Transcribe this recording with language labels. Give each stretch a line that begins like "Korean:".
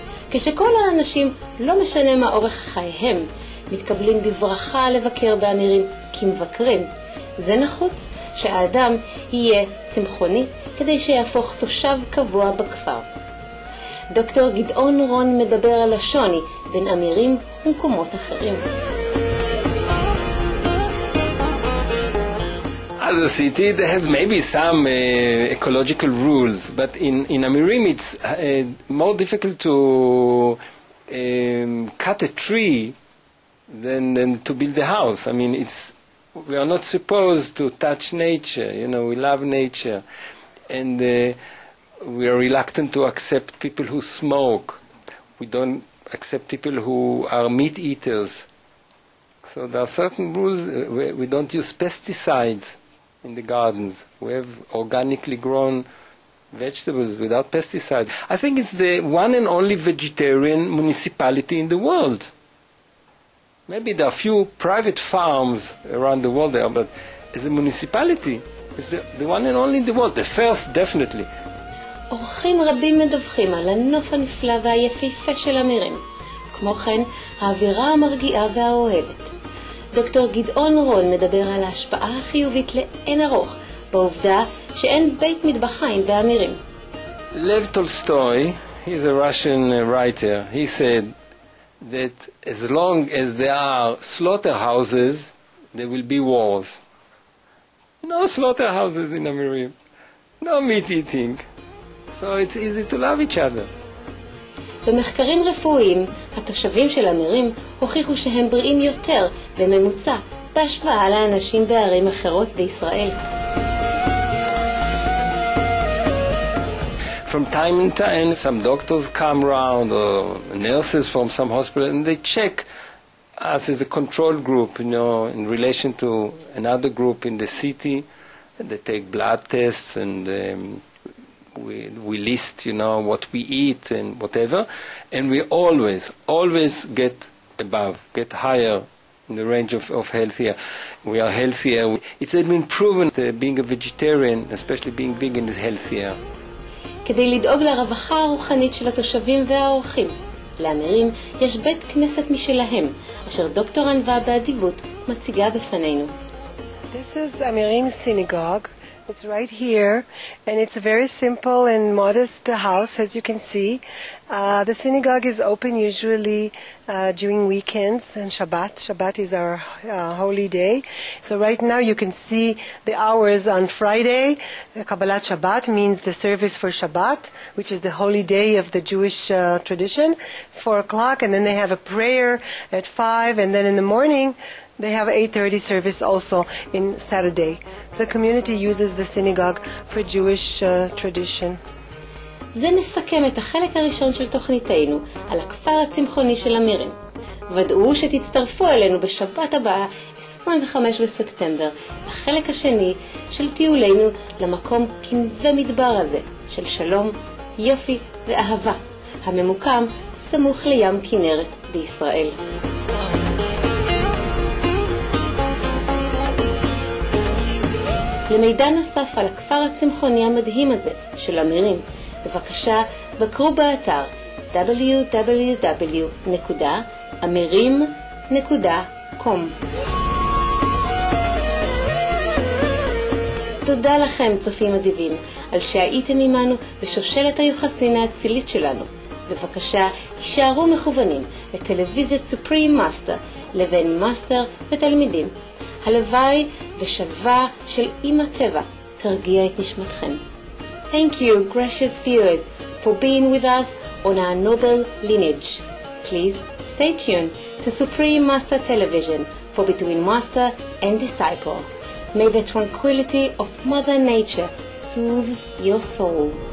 Hebrew: כשכל האנשים, לא משנה מה אורך חייהם, מתקבלים בברכה לבקר באמירים כמבקרים, זה נחוץ שהאדם יהיה צמחוני כדי שיהפוך תושב קבוע בכפר. דוקטור גדעון רון מדבר על השוני בין אמירים ומקומות אחרים.
English: Other city, they have maybe some ecological rules, but in Amirim it's more difficult to cut a tree than to build a house. I mean, we are not supposed to touch nature, you know, we love nature, and we are reluctant to accept people who smoke. We don't accept people who are meat eaters. So there are certain rules. We don't use pesticides in the gardens. We have organically grown vegetables without pesticides. I think it's the one and only vegetarian municipality in the world. Maybe there are a few private farms around the world there, but as a municipality, it's the one and only in the world, the first definitely.
Hebrew: אורחים רבים מדווחים על הנוף הנפלא והיפהפה של המרים, כמו כן, האווירה המרגיעה והאוהבת. דוקטור גדעון רון מדבר על ההשפעה החיובית לאין ארוך, בעובדה שאין בית מטבחיים באמירים.
English: לב טולסטוי, he's a Russian writer, he said that as long as there are slaughterhouses, there will be wars. No slaughterhouses in Amirim. No meat eating. So it's easy to love each other.
Hebrew: במחקרים רפואיים, התושבים של אמירים הוכיחו שהם בריאים יותר בממוצע בהשוואה לאנשים בערים אחרות בישראל.
English: From time to time, some doctors come around or nurses from some hospital and they check us as a control group, you know, in relation to another group in the city. And they take blood tests and we list, you know, what we eat and whatever. And we always, always get above, get higher in the range of healthier. We are healthier. It's been proven that being a vegetarian, especially being vegan, is healthier.
Hebrew: כדי לדאוג לרווחה הרוחנית של התושבים והאורחים. לאמירים יש בית כנסת משלהם, אשר דוקטור ענווה באדיבות מציגה בפנינו.
English: This is Amirim synagogue. It's right here, and it's a very simple and modest house, as you can see. The synagogue is open usually during weekends and Shabbat. Shabbat is our holy day. So right now you can see the hours on Friday. Kabbalat Shabbat means the service for Shabbat, which is the holy day of the Jewish tradition, 4 o'clock, and then they have a prayer at 5, and then in the morning they have 8:30 service also in Saturday. The community uses the synagogue for Jewish tradition.
Hebrew: זה מסכם את החלק הראשון של תוכניתנו על הכפר הצמחוני של אמירים. ודאו שתצטרפו אלינו בשבת הבאה, 25 בספטמבר, החלק השני של טיולנו למקום כנווה מדבר הזה של שלום, יופי ואהבה, הממוקם סמוך לים כנרת בישראל. למידע נוסף על הכפר הצמחוני המדהים הזה של אמירים, בבקשה בקרו באתר www.amirim.com. תודה לכם צופים אדיבים על שהייתם עמנו בשושלת היוחסין האצילית שלנו. בבקשה יישארו מכוונים לטלוויזיית סופרים מאסטר לבין מאסטר ותלמידים. הלוואי ושווה של אמא טבע תרגיע את נשמתכם.
English: Thank you, gracious viewers, for being with us on our noble lineage. Please stay tuned to Supreme Master Television for Between Master and Disciple. May the tranquility of Mother Nature soothe your soul.